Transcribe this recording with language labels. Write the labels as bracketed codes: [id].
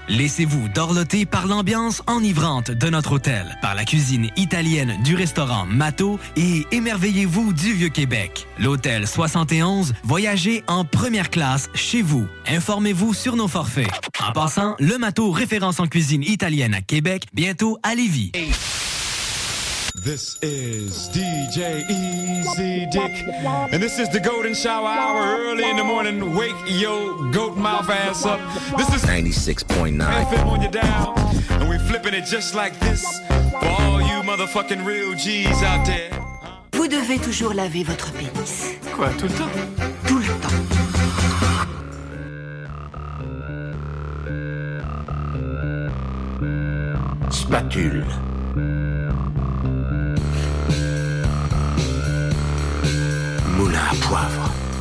[fr] Laissez-vous dorloter par l'ambiance enivrante de notre hôtel, par la cuisine italienne du restaurant Mato et émerveillez-vous du Vieux-Québec. L'Hôtel 71, voyagez en première classe chez vous. Informez-vous sur nos forfaits. En passant, le Mato, référence en cuisine italienne à Québec, bientôt à Lévis. [en] This is DJ Easy Dick, and this is the golden shower hour early in the morning. Wake your goat mouth ass up. This is 96.9. FM on your dial, and we're flipping it just like this for all you motherfucking real G's out there. [fr] Vous devez toujours laver votre pénis. Quoi, tout le temps? Tout le temps. Spatule. Moulin à poivre.